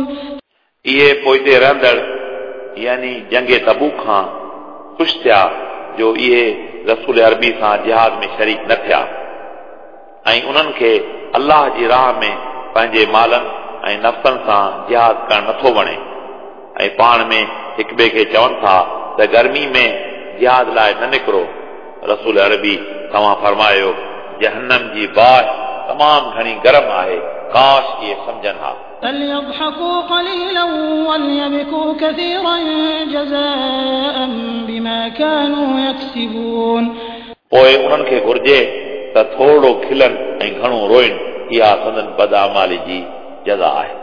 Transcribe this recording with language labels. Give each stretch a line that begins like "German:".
Sindhi: इहे पोइते रहंदड़ यानी जंगे तबू खां ख़ुशि थिया जो इहे रसूल अरबी सां जिहाद में शरीक न थिया ऐं उन्हनि खे अलाह जी राह में पंहिंजे मालनि ऐं नफ़्सनि सां जिहाद करणु नथो वणे ऐं पाण में हिक ॿिए खे चवनि था त गर्मी में जिहाद लाइ न निकिरो. रसूल अरबी तव्हां फ़रमायो जहन्नम जी बाहि तमामु घणी गरम आहे, काश इहे सम्झनि हा.
Arabic: فليضحكوا قليلا وليبكوا كثيرا جزاء بما كانوا يكسبون
Sindhi: پوءِ انهن کي گهرجي ته ٿورو کلن ۽ گهڻو روئن اها سندن بدعمالي جي جزا آهي